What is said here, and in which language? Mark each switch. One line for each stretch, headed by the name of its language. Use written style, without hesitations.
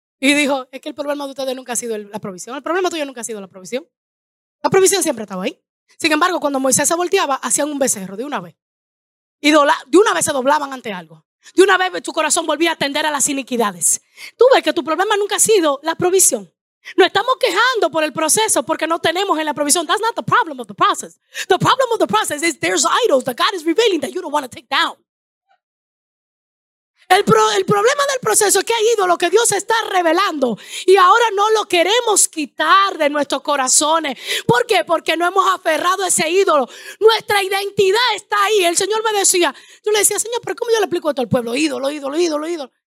Spanish: Y dijo, es que el problema de ustedes nunca ha sido la provisión. El problema tuyo nunca ha sido la provisión. La provisión siempre estaba ahí. Sin embargo, cuando Moisés se volteaba, hacían un becerro de una vez. Y de una vez se doblaban ante algo. De una vez tu corazón volvía a atender a las iniquidades. Tú ves que tu problema nunca ha sido la provisión. Nos estamos quejando por el proceso porque no tenemos en la provisión.
English: That's not the problem of the process. The problem of the process is there's idols that God is revealing that you don't want to take down.
Spanish: El problema del proceso es que hay ídolos que Dios está revelando y ahora no lo queremos quitar de nuestros corazones. ¿Por qué? Porque no hemos aferrado a ese ídolo. Nuestra identidad está ahí. El Señor me decía, yo le decía, Señor, ¿pero cómo yo le explico esto al pueblo? Ídolo, ídolo, ídolo, ídolo.